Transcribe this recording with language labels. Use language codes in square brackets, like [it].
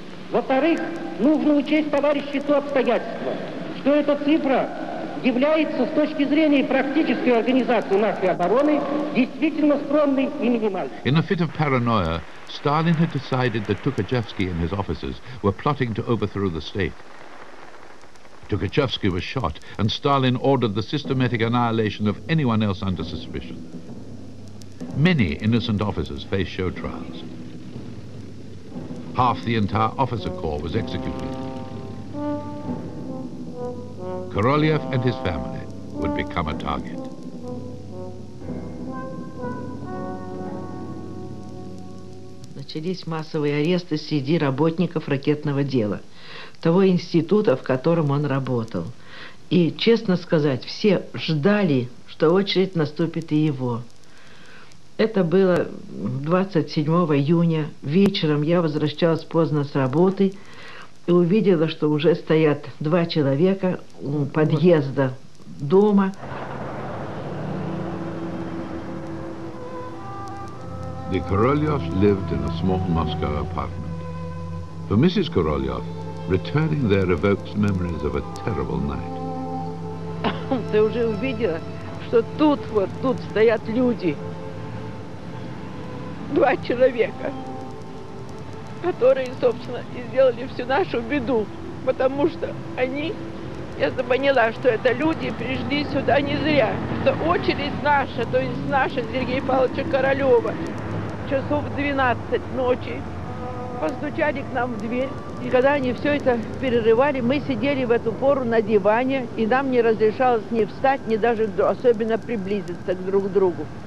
[ru] Во-вторых, нужно учесть, товарищи, то обстоятельство, что эта цифра является с точки зрения практической организации нашей обороны действительно скромной и минимальной. [en] In a fit of paranoia, Stalin had decided that Tukhachevsky and his officers were plotting to overthrow the state. Tukhachevsky was shot, and Stalin ordered the systematic annihilation of anyone else under suspicion. Many innocent officers faced show trials. Half the entire officer corps was executed. Korolev and his family would become a target. [ru] Начались массовые аресты среди работников ракетного дела, того института, в котором он работал. И, честно сказать, все ждали, что очередь наступит и его. Это было 27 июня, вечером я возвращалась поздно с работы и увидела, что уже стоят два человека у подъезда дома. [en] The Korolevs lived in a small Moscow apartment. For Mrs. Korolev, returning there evokes memories of a terrible night. [ru] Ты уже увидела, что тут вот, тут стоят люди. Два человека, которые, собственно, и сделали всю нашу беду, потому что они, я поняла, что это люди пришли сюда не зря, что очередь наша, то есть наша, Сергея Павловича Королева, часов 12 ночи, постучали к нам в дверь, и когда они все это перерывали, мы сидели в эту пору на диване, и нам не разрешалось ни встать, ни даже особенно приблизиться к друг другу.